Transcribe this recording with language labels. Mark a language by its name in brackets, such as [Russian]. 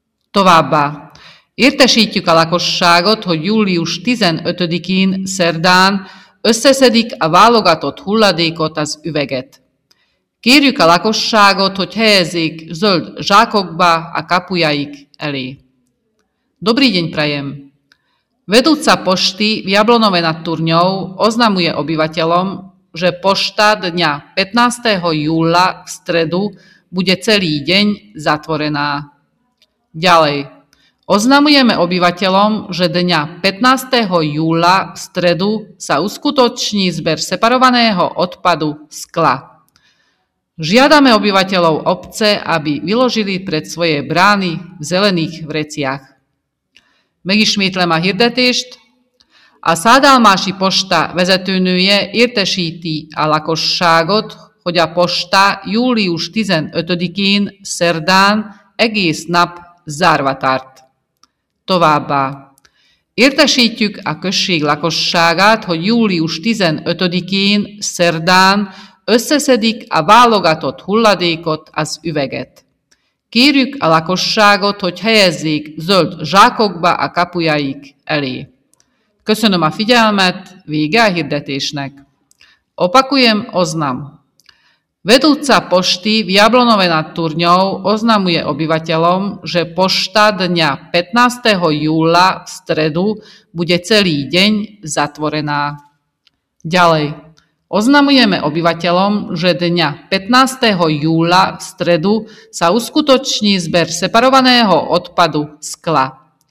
[Hungarian] Továbbá értesítjük a lakosságot, hogy július 15-én szerdán összeszedik a válogatott hulladékot, az üveget. Kérjük a lakosságot, hogy helyezzék zöld zsákokba a kapujaik elé. [Slovak] Dobrý deň prajem. Vedúca pošty v Jablonove nad Turňou oznamuje obyvateľom, že pošta dňa 15. júla v stredu bude celý deň zatvorená. Ďalej. Oznamujeme obyvateľom, že dňa 15. júla v stredu sa uskutoční zber separovaného odpadu skla. Žiadame obyvateľov obce, aby vyložili pred svoje brány v zelených vreciach. [Hungarian] Megismétlem a hirdetést. A Szádalmási Posta vezetőnője értesíti a lakosságot, hogy a posta július 15-én szerdán egész nap zárva tart. Továbbá értesítjük a község lakosságát, hogy július 15-én szerdán összeszedik a válogatott hulladékot, az üveget. Kérjük a lakosságot, hogy helyezzék zöld zsákokba a kapujaik elé. Köszönöm a figyelmet, vége a hirdetésnek. [Slovak] Opakujem oznam. Vedúca pošty v Jablonove nad Turňou oznamuje obyvateľom, že pošta dňa 15. júla v stredu bude celý deň zatvorená. Ďalej. Oznamujeme obyvateľom, že dňa 15. júla v stredu sa uskutoční zber separovaného odpadu skla.